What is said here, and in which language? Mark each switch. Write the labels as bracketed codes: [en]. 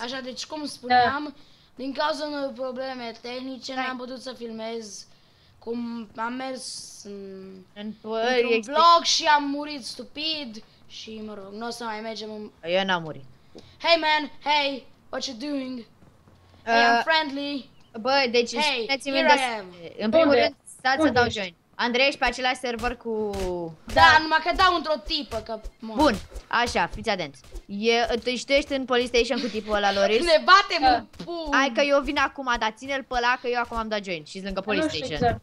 [ro] Așa, deci cum spuneam, din cauza unor probleme tehnice n-am putut să filmez cum am mers într-un vlog și am murit stupid și mă rog, nu o să mai mergem în... Eu n-am murit. [en] Hey man, hey, what you doing? Hey, I'm friendly. [ro] Bă, deci hey, spuneți-mi unde să... În primul rând, stați să dau join. Andrei, ești pe același server cu... Da, numai că dau într-o tipă, că... Bun, așa, fiți atenți. Tu ești în Police Station cu tipul ăla, Loris? Ne batem în pum! Hai că eu vin acum, dar ține-l pe ăla, că eu acum am dat join și-s lângă Police Station.